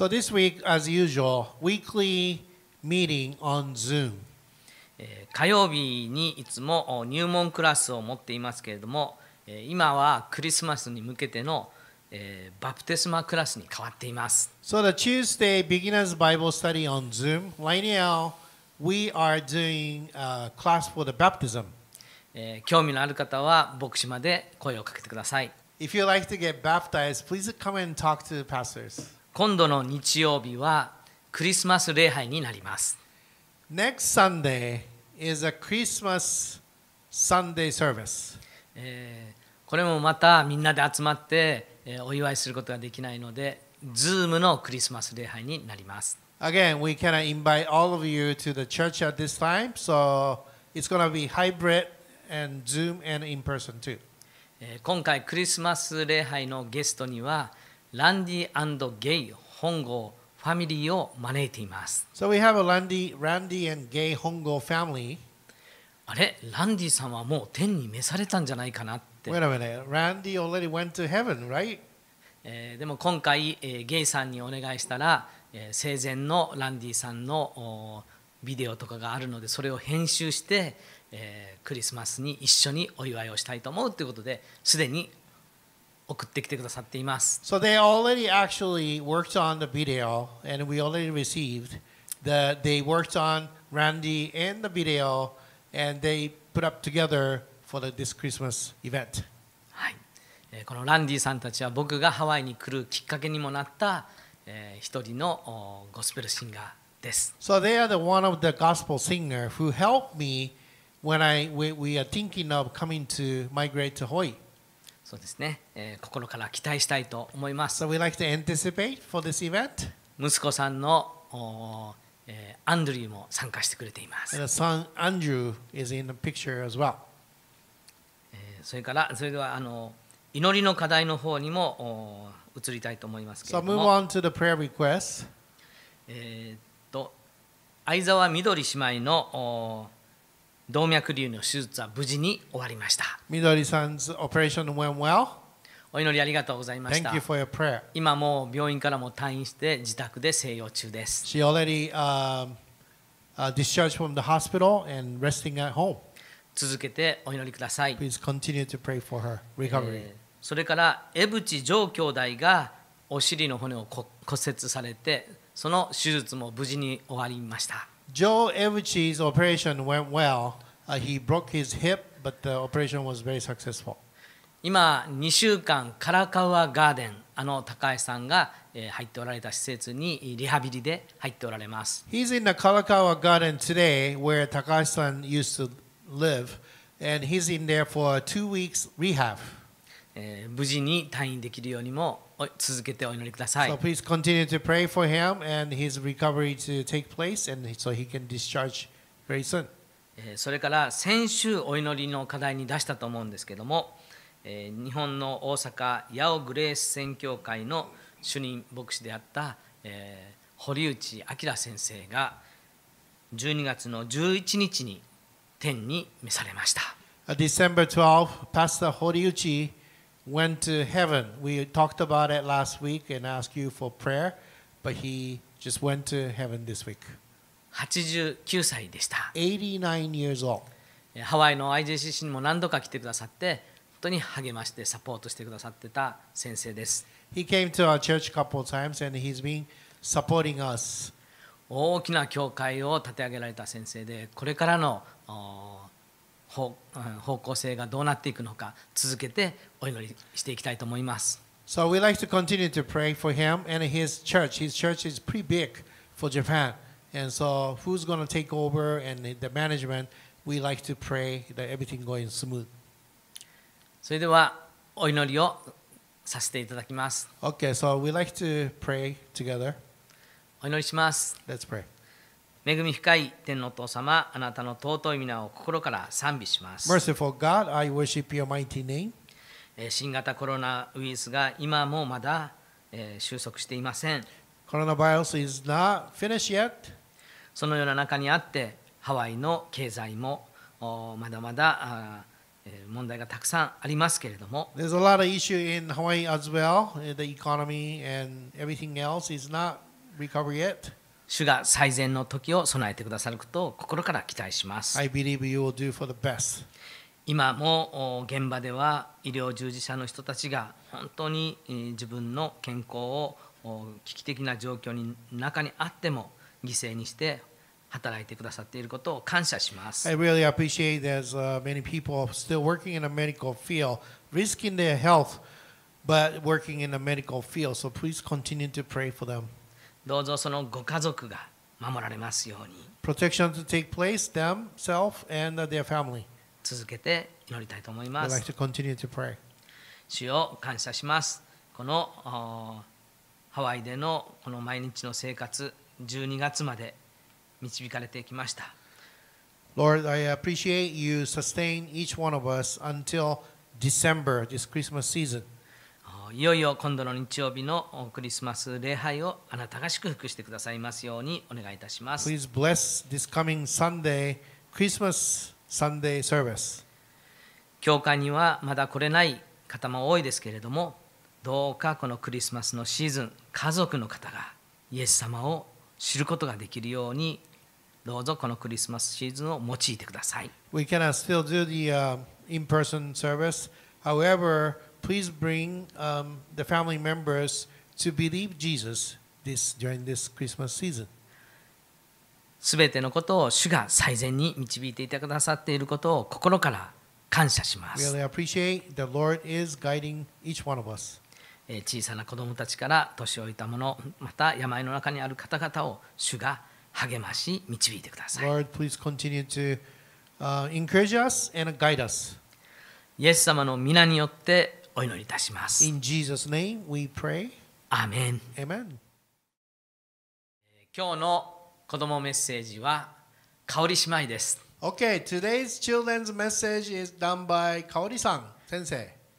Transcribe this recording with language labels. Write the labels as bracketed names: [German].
[English] So this week, as usual, weekly meeting on Zoom、 [Japanese] 火曜日にいつも入門クラスを持っていますけれども、今はクリスマスに向けてのバプテスマクラスに変わっています。 [English] So the Tuesday beginners Bible study on Zoom, right now we are doing a class for the baptism. [Japanese] 興味のある方は牧師まで声をかけてください。 [English] If you'd like to get baptized, please come and talk to the pastors. [Japanese] 今度の日曜日はクリスマス礼拝になります。 [English] Next Sunday is a Christmas Sunday service. [Japanese] これもまたみんなで集まってお祝いすることができないので、Zoom のクリスマス礼拝になります。 [English] Again, we cannot invite all of you to the church at this time, so it's going to be hybrid and Zoom and in person too. [Japanese] 今回クリスマス礼拝のゲストには、ランディ&ゲイ本郷ファミリーを招いています。 [English] So we have a Randy and Gay Hongo family. [Japanese] あれ、ランディさんはもう天に召されたんじゃないかな。 [English] Wait a minute. Randy already went to heaven, right? [Japanese] でも今回、ゲイさんにお願いしたら、生前のランディさんのビデオとかがあるので、それを編集して、クリスマスに一緒にお祝いをしたいと思うということで、すでに送ってきてくださっています。 [English] So they already actually worked on the video, and we already received that they worked on Randy and the video, and they put up together. For this Christmas event. [Japanese] はい、このランディさんたちは僕がハワイに来るきっかけにもなった、一人のゴスペルシンガーです。 [English] So they are the one of the gospel singer who helped me when we are thinking of coming to migrate to Hawaii. [Japanese] そうですね、心から期待したいと思います。 [English] So we like to anticipate for this event. [Japanese] 息子さんのアンドリューも参加してくれています。 [English] And the son Andrew is in the picture as well. [Japanese] それからそれでは祈りの課題の方にも移りたいと思いますけれども。 [English] So move on to the prayer request. [Japanese] 相沢みどり姉妹の動脈瘤の手術は無事に終わりました。 [English] みどりさん's operation went well. [Japanese] お祈りありがとうございました。 [English] Thank you for your prayer. [Japanese] 今もう病院からも退院して自宅で静養中です。 [English] She already discharged from the hospital and resting at home. [Japanese] 続けてお祈りください。 [English] Please continue to pray for her recovery. [Japanese] それから江渕上兄弟がお尻の骨を骨折されて、その手術も無事に終わりました。 [English] Joe Evuchi's operation went well. He broke his hip, but the operation was very successful. [Japanese] 今2週間カラカワガーデンあの高橋さんが入っておられた施設にリハビリで入っておられます。 [English] He's in the Kalakaua Garden today where 高橋さん used to live and he's in there for 2 weeks rehab. [Japanese] 無事に退院できるようにも続けてお祈りください。 [English] So please continue to pray for him and his recovery to take place and so he can discharge very soon. [Japanese] それから先週お祈りの課題に出したと思うんですけども、日本の大阪八尾グレース宣教会の主任牧師であった、堀内明先生が12月の11日に天に召されました。 [English] December 12th, Pastor 堀内 went to heaven. We talked about it last week and asked you for prayer, but he just went to heaven this week. [Japanese] 89歳でした。 [English] 89 years old. [Japanese] ハワイの IJCC にも何度か来てくださって、本当に励ましてサポートしてくださってた先生です。 [English] He came to our church a couple of times and he's been supporting us. [Japanese] 大きな教会を立て上げられた先生で、これからの方向性がどうなっていくのか、続けてお祈りしていきたいと思います。 [English] So we'd like to continue to pray for him and his church. His church is pretty big for Japan. And so, who's going to take over and the management? We like to pray that everything going smooth. [Japanese] それではお祈りをさせていただきます。 [English] Okay, so we like to pray together. [Japanese] お祈りします。 [English] Let's pray. [Japanese] 恵み深い天のお父様、あなたの尊い皆を心から賛美します。 [English] Merciful God, I worship your mighty name. [Japanese] 新型コロナウイルスが今もまだ収束していません。 [English] Coronavirus is not finished yet. [Japanese] そのような中にあって、ハワイの経済もまだまだ問題がたくさんありますけれども。 [English] There's a lot of issue in Hawaii as well. The economy and everything else is not recovered yet. [Japanese] 主が最善の時を備えてくださることを心から期待します。 [English] I believe you will do for the best. [Japanese] 今も現場では医療従事者の人たちが本当に自分の健康を危機的な状況の中にあっても犠牲にして働いてくださっていることを感謝します。 [English] I really appreciate there's many people still working in the medical field risking their health but working in the medical field so please continue to pray for them. [Japanese] どうぞそのご家族が守られますように。 [English] Protection to take place themselves and their family. [Japanese] 続けて祈りたいと思います。 [English] I'd like to continue to pray. [Japanese] 主を感謝します。このハワイでのこの毎日の生活、12月まで導かれてきました。 [English] Lord, I appreciate you sustain each one of us until December, this Christmas season. [Japanese] いよいよ今度の日曜日のクリスマス礼拝をあなたが祝福してくださいますようにお願いいたします。 [English] Please bless this coming Sunday, Christmas Sunday service. [Japanese] 教会にはまだ来れない方も多いですけれども、どうかこのクリスマスのシーズン、家族の方がイエス様を知ることができるようにどうぞこのクリスマスシーズンを用いてください。 [English] We cannot still do the in-person service. However, please bring the family members to believe Jesus this, during this Christmas season. [Japanese] 全てのことを主が最善に導いていてくださっていることを心から感謝します。 [English] Really appreciate the Lord is guiding each one of us. [Japanese] 小さな子どもたちから年老いた者、また病の中にある方々を主が励まし導いてください。 [English] Lord, please continue to encourage us and guide us. [Japanese] イエス様の御名によってお祈りいたします。 [English] In Jesus' name we pray. Amen. Amen. [Japanese] 今日の子どもメッセージは香里姉妹です。 [English] Okay, today's children's message is done by 香里さん先生。